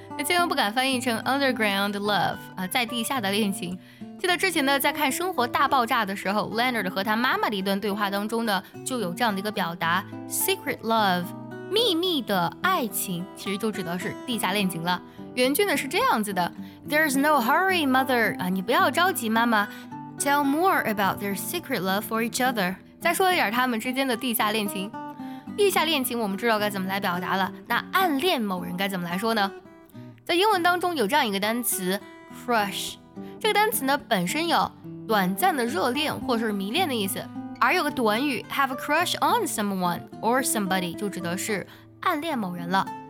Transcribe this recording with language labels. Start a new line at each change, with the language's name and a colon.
Chinese: 那千万不敢翻译成 underground love、在地下的恋情。记得之前呢在看生活大爆炸的时候， Leonard 和他妈妈的一段对话当中呢就有这样的一个表达， secret love 秘密的爱情，其实就指的是地下恋情了。原句呢是这样子的，
English: There's no hurry mother、
Chinese: 你不要着急妈妈，
English: Tell more about their secret love for each other。
Chinese: 再说一点他们之间的地下恋情。地下恋情我们知道该怎么来表达了，那暗恋某人该怎么来说呢？在英文当中有这样一个单词 crush， 这个单词呢本身有短暂的热恋或是迷恋的意思，而有个短语
English: have a crush on someone or somebody
Chinese: 就指的是暗恋某人了。